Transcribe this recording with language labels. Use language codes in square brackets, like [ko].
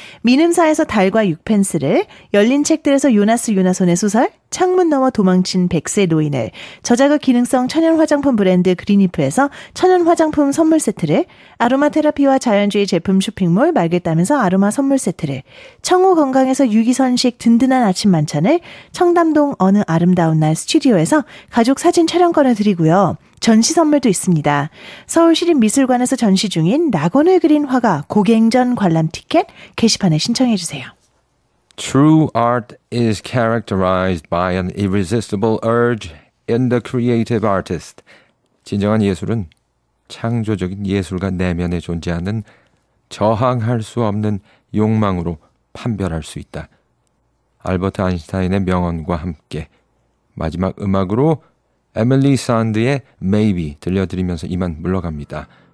[ko] 민음사에서 달과 육펜스를, 열린 책들에서 요나스 요나손의 소설, 창문 넘어 도망친 백세 노인을, 저자극 기능성 천연 화장품 브랜드 그린이프에서 천연 화장품 선물 세트를, 아로마 테라피와 자연주의 제품 쇼핑몰 말겠다면서 아로마 선물 세트를, 청호 건강에서 유기선식 든든한 아침 만찬을, 청담동 어느 아름다운 날 스튜디오에서 가족 사진 촬영권을 드리고요. 전시 선물도 있습니다. 서울시립미술관에서 전시 중인 낙원을 그린 화가 고갱전 관람 티켓 게시판에 신청해 주세요. [en] True art is characterized by an irresistible urge in the creative artist. [ko] 진정한 예술은 창조적인 예술가 내면에 존재하는 저항할 수 없는 욕망으로 판별할 수 있다. 알버트 아인슈타인의 명언과 함께 마지막 음악으로 에밀리 산드의 Maybe 들려드리면서 이만 물러갑니다.